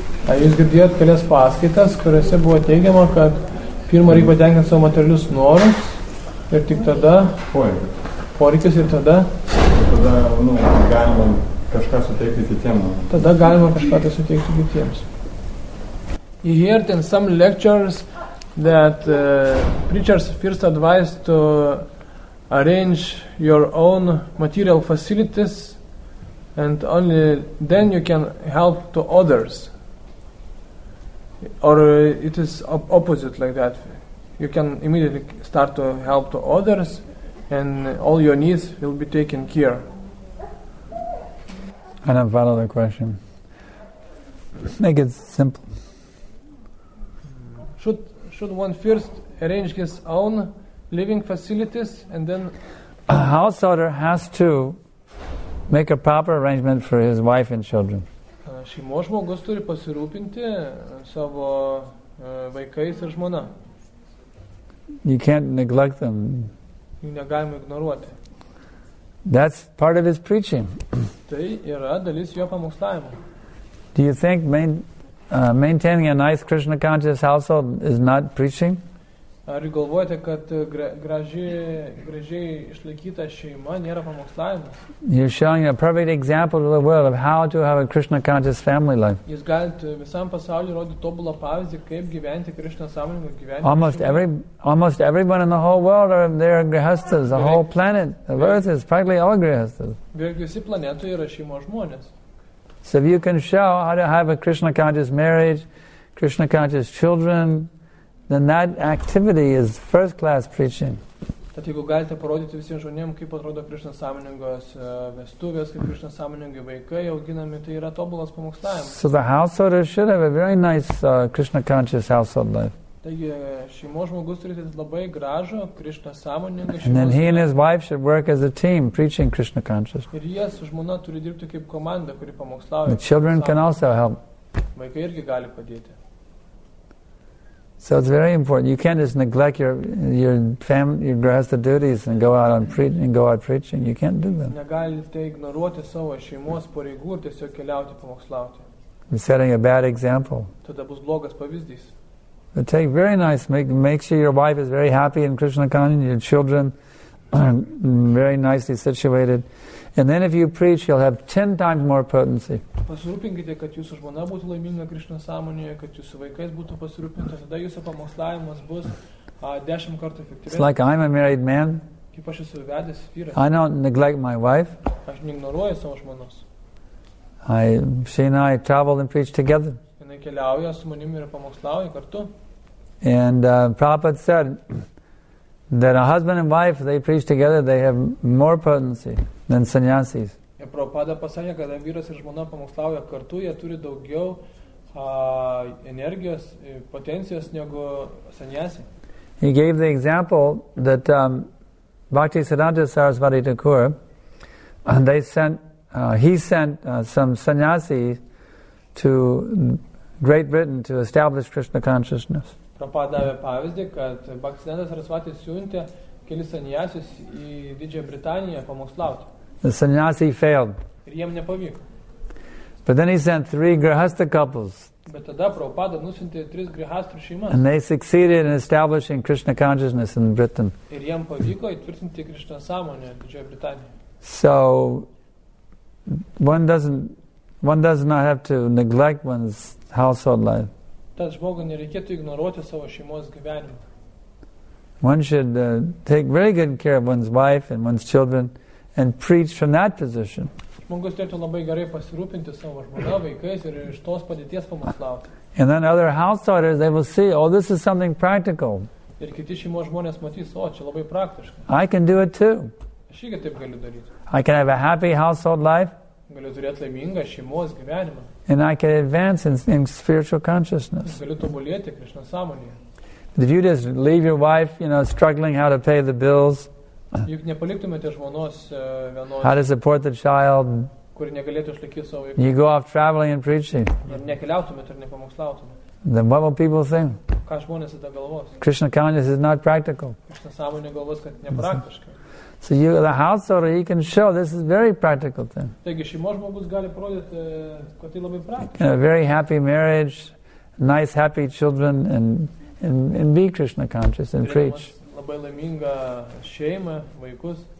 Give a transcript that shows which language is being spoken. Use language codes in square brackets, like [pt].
[lt] Ar jūs girdėjot kelias paskaitas, kuriuose buvo teigiama, kad pirmą reikia patenkinti savo materialius norus ir tik tada poreikis ir tada? Tada galima kažką suteikti kitiems. Tada galima kažką tai suteikti kitiems. [en] You heard in some lectures that preachers first advised to arrange your own material facilities and only then you can help to others. Or it is opposite like that. You can immediately start to help to others and all your needs will be taken care. I don't follow the question. Make it simple. Should one first arrange his own living facilities and then... A householder has to make a proper arrangement for his wife and children. [lt] Šeimos žmogus turi pasirūpinti savo vaikais ir žmona. [en] You can't neglect them. [lt] Jų negalima ignoruoti. [en] That's part of his preaching. [lt] Tai yra dalis jo pamokslavimo. [en] Do you think maintaining a nice Krishna conscious household is not preaching? [lt] Ar jūs galvojate, kad gražiai išlaikyta šeima nėra pamokslavimas? [en] You're showing a perfect example to the world of how to have a Krishna conscious family life. [lt] Jūs galite visam pasauliu rodyti tobulą pavyzdį, kaip gyventi Krishna sąmoningą gyvenimą. [en] Almost everyone in the whole world are their grihasthas. The whole planet of Earth is practically all grihasthas. [lt] Beveik visi planetoje yra šeimos žmonės. [en] So if you can show how to have a Krishna conscious marriage, Krishna conscious children, then that activity is first class preaching. [lt] Tad jeigu galite parodyti visiems žmonėm, kaip atrodo Krishna sąmoningos vestuvės, kaip Krishna sąmoningi vaikai auginami, tai yra tobulas pamokslavimas. [en] So the householder should have a very nice Krishna conscious household life. [lt] Taigi šeimos žmogus turi labai gražų Krishna sąmoningą šeimą. [en] And then he and his wife should work as a team preaching Krishna conscious. [lt] Ir jie su žmona turi dirbti kaip komanda, kuri pamokslauja. [en] The children can also help. [lt] Vaikai irgi gali padėti. [en] So it's very important. You can't just neglect your family, your grihastha duties and go out preaching. You can't do that. [lt] Negalite ignoruoti savo šeimos pareigų ir tiesiog keliauti pamokslauti. [en] You're setting a bad example. [lt] Tada bus blogas pavyzdys. [en] But take very nice, make sure your wife is very happy in Krishna consciousness, your children are very nicely situated. And then if you preach, you'll have 10 times more potency. [lt] Pasirūpinkite, kad jūsų žmona būtų laiminga Krishna sąmonėje, kad jūsų vaikais būtų pasirūpinta, tada jūsų pamokslavimas bus 10 kartų efektyvesnis. [en] It's like I'm a married man. [lt] Kaip aš esu vedęs vyras. [en] I don't neglect my wife. [lt] Aš neignoruoju savo žmonos. [en] She and I travel and preach together. [lt] Jinai keliauja su manim ir pamokslauja kartu. [en] And Prabhupada said that a husband and wife, they preach together, they have more potency than sannyasis. [lt] Ir Prabhupada pasakė, kad vyras ir žmona pamokslauja kartu, jie turi daugiau energijos, potencijos negu sannyasi. [en] He gave the example that Bhaktisiddhanta Sarasvati Thakur, he sent some sannyasis to Great Britain to establish Krishna consciousness. [lt] Prabhupada davė pavyzdį, kad Bhaktisiddhanta Sarasvati siuntė kelis sannyasius į Didžiąją Britaniją pamokslauti. [en] The sannyasi failed. [lt] Ir jiem nepavyko. [en] But then he sent three grihastha couples. [lt] Bet tada Prabhupada nusintė tris grihastrų šeimas. [en] And they succeeded in establishing Krishna consciousness in Britain. [lt] Ir jiem pavyko įtvirtinti Krishna sąmonę Didžiojoje Britanijoje. [en] So one does not have to neglect one's household life. [lt] Tad žmogui nereikėtų ignoruoti savo šeimos gyvenimą. [en] One should take very good care of one's wife and one's children and preach from that position. [lt] Žmogus turėtų labai gerai pasirūpinti savo žmona, vaikais ir iš tos padėties pamokslauti. [en] And then other householders, they will see, oh, this is something practical. [lt] Ir kiti šeimos žmonės matys, o, čia labai praktiška. [en] I can do it too. [lt] Aš irgi taip galiu daryti. [en] I can have a happy household life. [lt] Galiu turėti laimingą šeimos gyvenimą. [en] And I can advance in spiritual consciousness. [lt] Galiu tobulėti Krishna sąmonėje. [en] If you just leave your wife, you know, struggling how to pay the bills, [lt] juk nepaliktumėte žmonos vienos, [en] how to support the child, [lt] kuri negalėtų išlaikyti savo vaikų, [en] you go off traveling and preaching, [lt] ir nekeliautumėte ir nepamokslautumėte, [en] then what will people think? [lt] Ką žmonės tada galvos? [en] Krishna consciousness is not practical. [lt] Krishna sąmonė galvos, kad nepraktiška. [en] So you, the householder, he can show this is a very practical thing. [lt] Taigi, šeimos žmogus gali parodyti, kad tai labai praktiška. [en] A very happy marriage, nice happy children, and be Krishna conscious and preach. [lt] Labai laiminga šeima, vaikus.